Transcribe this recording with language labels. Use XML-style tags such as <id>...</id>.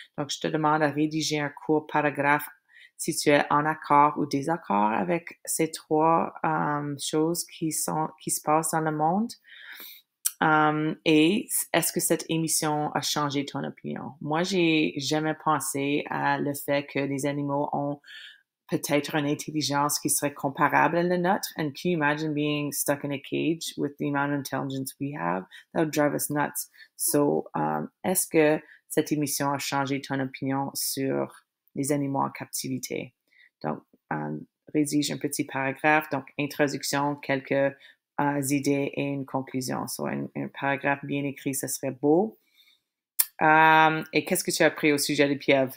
<fr>Donc, je te demande à rédiger un court paragraphe si tu es en accord ou désaccord avec ces trois choses qui se passent dans le monde. Et est-ce que cette émission a changé ton opinion? Moi, j'ai jamais pensé à le fait que les animaux ont peut-être une intelligence qui serait comparable à la nôtre.</fr> <en>And can you imagine being stuck in a cage with the amount of intelligence we have? That would drive us nuts.</en> <fr>So, est-ce que cette émission a changé ton opinion sur les animaux en captivité? Donc, rédige un petit paragraphe. Donc, introduction, quelques idées et une conclusion. So, un paragraphe bien écrit, ce serait beau. Et qu'est-ce que tu as appris au sujet des pieuvres?</fr>